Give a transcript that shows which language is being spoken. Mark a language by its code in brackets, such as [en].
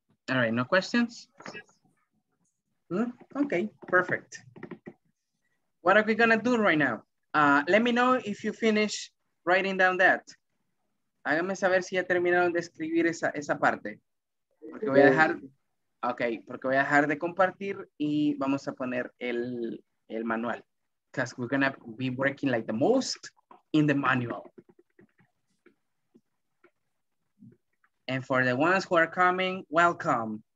[en] All right, no questions? Okay, perfect. What are we gonna do right now? Let me know if you finish writing down that. [es] Háganme saber si ya terminaron de escribir esa parte. Porque voy a dejar, okay, porque voy a dejar de compartir y vamos a poner el manual. [en] Because we're gonna be working like the most in the manual. And for the ones who are coming, welcome.